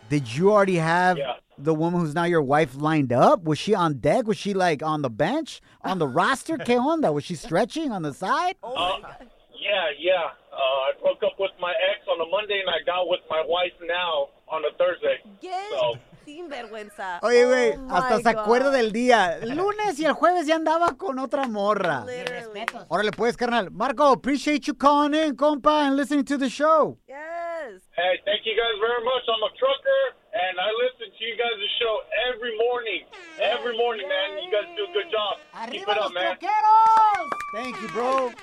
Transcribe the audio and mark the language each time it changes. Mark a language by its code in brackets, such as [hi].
[en] Did you already have the woman who's now your wife lined up? Was she on deck? Was she, like, on the bench? On the roster? [es] ¿Qué onda? [en] Was she stretching on the side? Yeah. I broke up with my ex on a Monday, and I got with my wife now on a Thursday. Yeah. So. [es] Sinvergüenza. Oye, güey, hasta se acuerda del día. Lunes y el jueves ya andaba con otra morra. [en] Literally. [es] Órale, pues, carnal. [en] Marco, appreciate you calling in, compa, and listening to the show. Yes. Hey, thank you guys very much. I'm a trucker, and I listen to you guys' show every morning. Every morning, man. You guys do a good job. [es] Arriba los truqueros. [en] Thank you, bro.